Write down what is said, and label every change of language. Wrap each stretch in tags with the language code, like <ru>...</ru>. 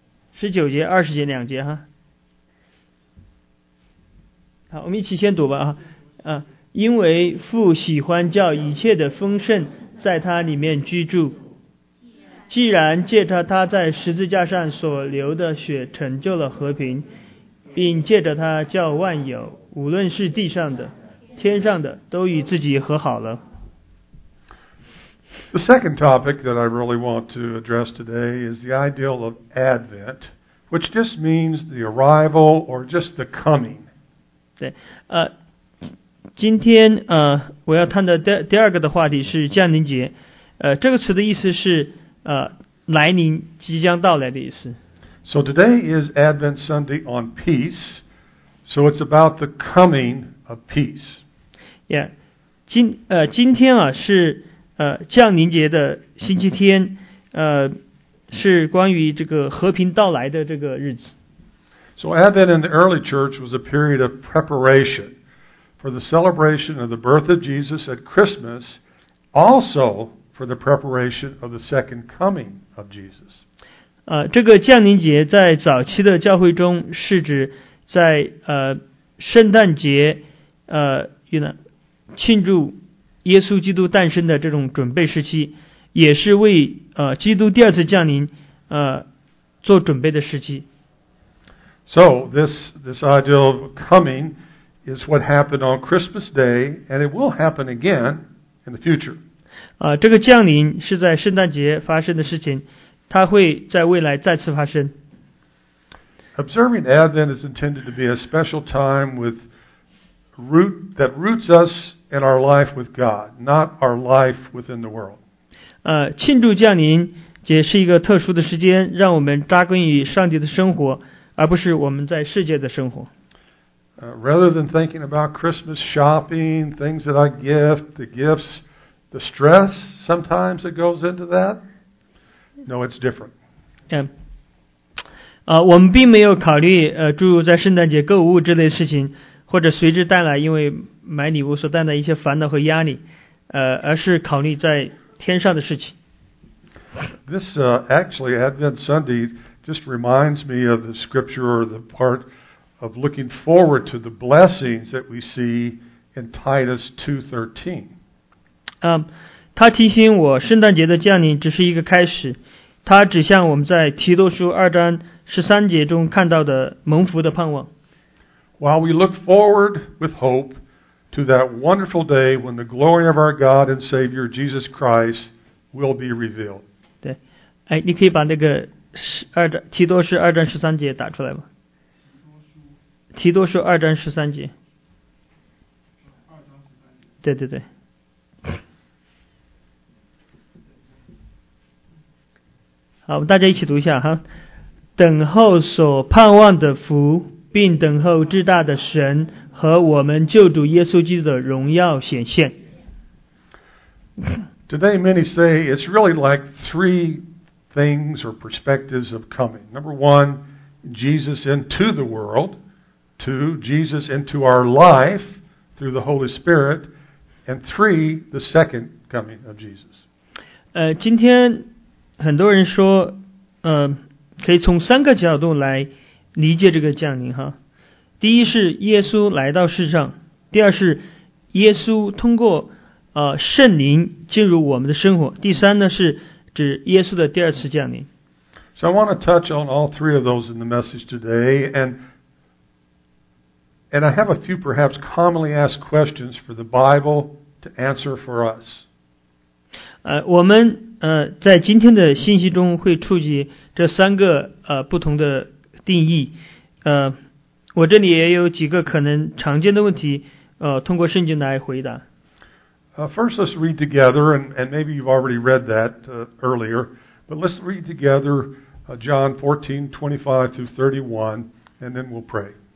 <zh>19节、20节两节哈，好，我们一起先读吧啊，因为父喜欢叫一切的丰盛在他里面居住，既然借着他在十字架上所流的血成就了和平，并借着他叫万有，无论是地上的、天上的，都与自己和好了。</zh> <en>The second topic that I really want to address today is the ideal of Advent, which just means the arrival or just the coming.</en> <zh>对，今天我要谈的第二个的话题是降临节，这个词的意思是来临，即将到来的意思。</zh> <en>So today is Advent Sunday on peace, so it's about the coming of peace.</en> <zh>Yeah, 今天是降临节的星期天，是关于这个和平到来的这个日子。</zh> <en>So Advent in the early church was a period of preparation for the celebration of the birth of Jesus at Christmas, also for the preparation of the second coming of Jesus.</en> <zh>这个降临节在早期的教会中是指在圣诞节</zh> <en>you know,</en> <zh>庆祝耶稣基督诞生的这种准备时期，也是为基督第二次降临做准备的时期。</zh> <en>So this idea of coming is what happened on Christmas Day, and it will happen again in the future.</en> <zh>这个降临是在圣诞节发生的事情，它会在未来再次发生。</zh> <en>Observing Advent is intended to be a special time with root that roots us in our life with God, not our life within the world.</en> <zh>庆祝降临节是一个特殊的时间，让我们扎根于上帝的生活，而不是我们在世界的生活。</zh> <en>Rather than thinking about Christmas shopping, things that I gift, the gifts, the stress sometimes that goes into that, no, it's different. Yeah.</en> <zh>我们并没有考虑诸如在圣诞节购物之类的事情，或者随之带来因为买礼物所带来一些烦恼和压力，而是考虑在天上的事情。</zh> <en>This actually Advent Sunday just reminds me of the scripture or the part of looking forward to the blessings that we see in Titus 2:13.</en> <zh>他提醒我，圣诞节的降临只是一个开始，他指向我们在提多书二章十三节中看到的蒙福的盼望。</zh> <en>While we look forward with hope to that wonderful day when the glory of our God and Savior Jesus Christ will be revealed.</en> <zh>对，哎，你可以把那个提多书二章十三节打出来吗？提多书二章十三节。对对对。好，我们大家一起读一下哈。等候所盼望的福，并等候至大的神和我们救主耶稣基督的荣耀显现。</zh> <en>Today many say it's really like three things or perspectives of coming. Number one, Jesus into the world. Two, Jesus into our life through the Holy Spirit. And three, the second coming of Jesus.</en> <zh>今天很多人说可以从三个角度来理解这个降临哈。第一是耶稣来到世上，第二是耶稣通过圣灵进入我们的生活，第三呢是指耶稣的第二次降临。</zh> <en>So I want to touch on all three of those in the message today, and I have a few perhaps commonly asked questions for the Bible to answer for us.</en> <zh>我们在今天的信息中会触及这三个不同的定义，我这里也有几个可能常见的问题，通过圣经来回答。</zh> <en>First, let's read together, and maybe you've already read that earlier, but let's read together John 14:25-31, and then we'll pray.</en>